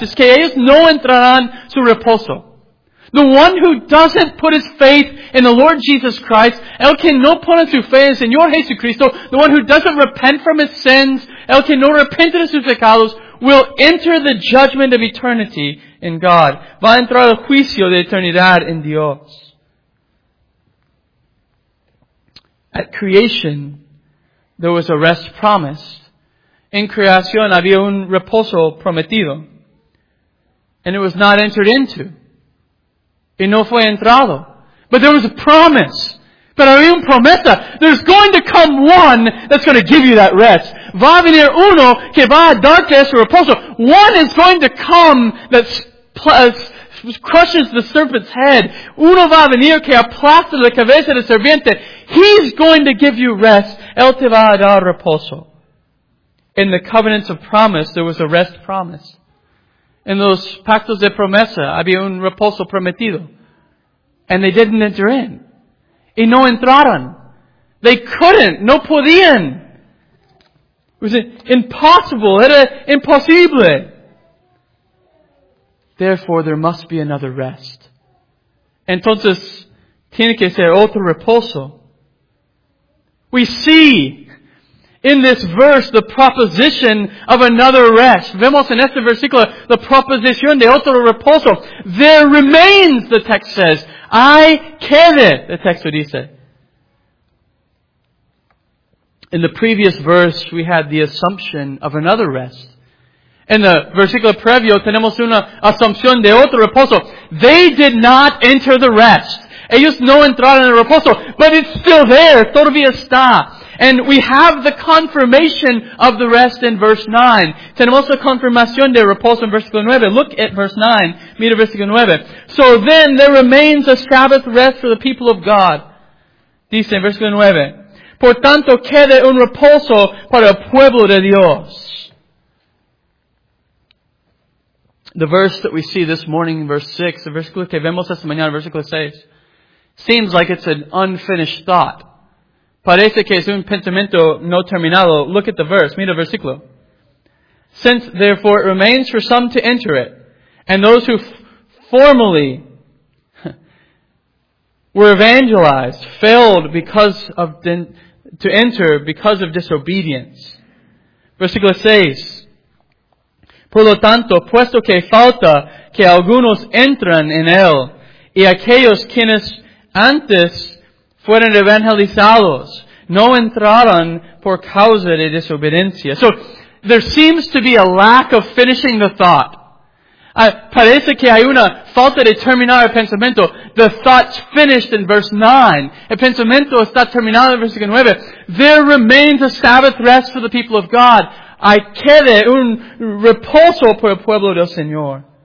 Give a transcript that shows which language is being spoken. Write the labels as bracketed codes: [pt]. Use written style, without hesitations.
[es] Es que ellos no entrarán su reposo. [en] The one who doesn't put his faith in the Lord Jesus Christ, [es] el que no pone su fe en Señor Jesucristo, [en] the one who doesn't repent from his sins, [es] el que no repente de sus pecados, [en] will enter the judgment of eternity in God. [es] Va a entrar el juicio de eternidad en Dios. [en] At creation, there was a rest promised. [es] En creación había un reposo prometido. [en] And it was not entered into. [es] Y no fue entrado. [en] But there was a promise. [es] Pero había una promesa. [en] There's going to come one that's going to give you that rest. [es] Va a venir uno que va a darte ese reposo. [en] One is going to come that crushes the serpent's head. [es] Uno va a venir que aplasta la cabeza del serpiente. [en] He's going to give you rest. [es] Él te va a dar reposo. [en] In the covenants of promise, there was a rest promise. In those [es] pactos de promesa, había un reposo prometido. [en] And they didn't enter in. [es] Y no entraron. [en] They couldn't. [es] No podían. [en] It was impossible. [es] Era imposible. [en] Therefore, there must be another rest. [es] Entonces, tiene que ser otro reposo. [en] We see in this verse, the proposition of another rest. [es] Vemos en este versículo la proposición de otro reposo. [en] There remains, the text says. [es] Hay quede, [en] the text [es] dice. [en] In the previous verse, we had the assumption of another rest. In the [es] versículo previo, tenemos una asunción de otro reposo. [en] They did not enter the rest. [es] Ellos no entraron en el reposo, [en] but it's still there. [es] Todavía está. [en] And we have the confirmation of the rest in verse 9. [es] Tenemos la confirmación de reposo en versículo 9. [en] Look at verse 9. [es] Mira versículo 9. [en] So then there remains a Sabbath rest for the people of God. [es] Dice en versículo 9. Por tanto, quede un reposo para el pueblo de Dios. [en] The verse that we see this morning in verse 6, [es] the versículo que vemos esta mañana, versículo 6, [en] seems like it's an unfinished thought. [es] Parece que es un pensamiento no terminado. [en] Look at the verse. [es] Mira el versículo. [en] Since therefore it remains for some to enter it, and those who formerly were evangelized failed because of disobedience. [es] Versículo 6. Por lo tanto, puesto que falta que algunos entren en él, y aquellos quienes antes fueron evangelizados no entraron por causa de desobediencia. [en] So, there seems to be a lack of finishing the thought. [es] Parece que hay una falta de terminar el pensamiento. [en] The thought's finished in verse 9. [es] El pensamiento está terminado en versículo 9. [en] There remains a Sabbath rest for the people of God. [es] Hay quede un reposo por el pueblo del Señor.